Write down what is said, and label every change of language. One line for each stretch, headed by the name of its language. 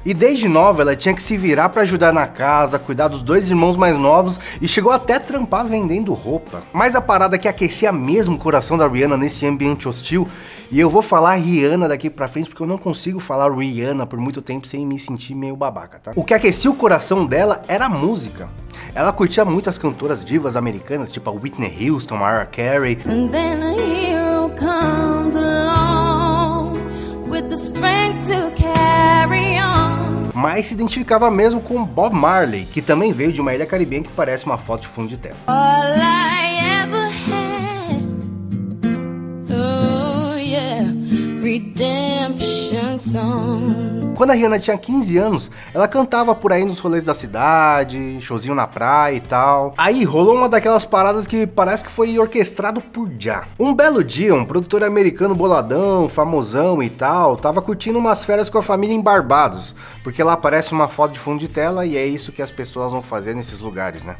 Portuguese: E desde nova, ela tinha que se virar pra ajudar na casa, a cuidar dos dois irmãos mais novos e chegou até a trampar vendendo roupa. Mas a parada que aquecia mesmo o coração da Rihanna nesse ambiente hostil, e eu vou falar Rihanna daqui pra frente porque eu não consigo falar Rihanna por muito tempo sem me sentir meio babaca, tá? O que aquecia o coração dela era a música. Ela curtia muito as cantoras divas americanas, tipo a Whitney Houston, Mariah Carey.
English: And then a hero comes along with the strength to carry on.
Portuguese: Mas se identificava mesmo com Bob Marley, que também veio de uma ilha caribenha que parece uma foto de fundo de tela.
English: All I ever had, oh yeah, redemption song.
Portuguese: Quando a Rihanna tinha 15 anos, ela cantava por aí nos rolês da cidade, showzinho na praia e tal. Aí rolou uma daquelas paradas que parece que foi orquestrado por Jah. Um belo dia, um produtor americano boladão, famosão e tal, tava curtindo umas férias com a família em Barbados, porque lá aparece uma foto de fundo de tela e é isso que as pessoas vão fazer nesses lugares, né?